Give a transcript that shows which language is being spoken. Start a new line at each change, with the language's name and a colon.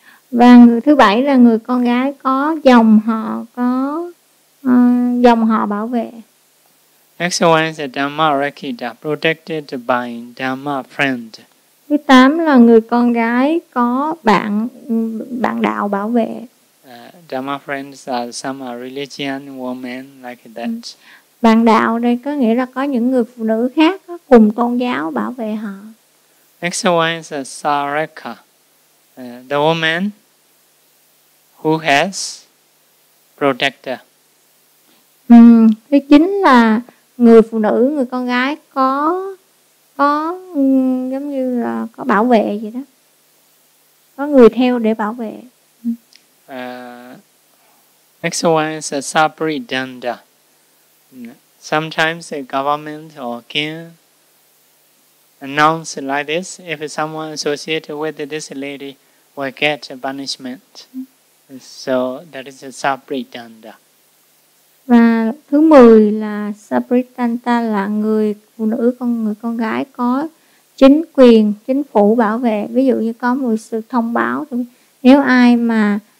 Vietnamese: Và người thứ bảy là người con gái có dòng họ, có dòng họ bảo vệ.
English: Next one is Dhamma Rakita, protected by Dhamma friend.
Vietnamese: Thứ tám là người con gái có bạn đạo bảo vệ.
English: Dhamma friends are some religious women like that.
Vietnamese: Bạn đạo đây có nghĩa là có những người phụ nữ khác cùng tôn giáo bảo vệ họ.
English: Next one is Saraka, the woman who has protector.
Vietnamese: Thứ chín là người phụ nữ, người con gái có giống như là có bảo vệ vậy đó. Có người theo để bảo vệ.
English: Next one is Sabridanda. Sometimes the government or king announce like this, if someone associated with this lady will get punishment. So that is a Sabridanda.
Vietnamese: Và thứ 10 là Sabridanda là người phụ nữ, người con gái có chính quyền, chính phủ bảo vệ. Ví dụ như có một sự thông báo, nếu ai mà